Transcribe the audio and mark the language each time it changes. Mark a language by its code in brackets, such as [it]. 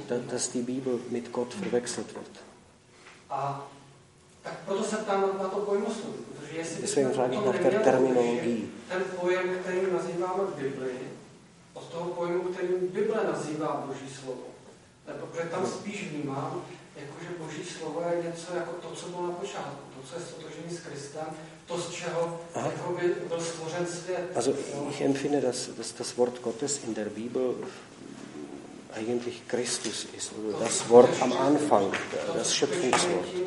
[de] Dass die Bibel mit Gott verwechselt wird. [cs] A tak proto se ptám na to pojmoslovy. [de] Deswegen frage ich nach der Terminologie. [cs] Ten pojem, který nazýváme v Bibli, od toho pojmu, který Bible nazývá Boží slovo. Protože tam spíš vnímám, jakože Boží slovo je něco jako to, co bylo na počátku, to, co je stotožení s Kristem, to, z čeho jakoby byl stvořen svět. [de] Also, ich empfinde, dass das Wort Gottes in der Bibel eigentlich Christus ist, oder das Wort am Anfang, das Schöpfungswort.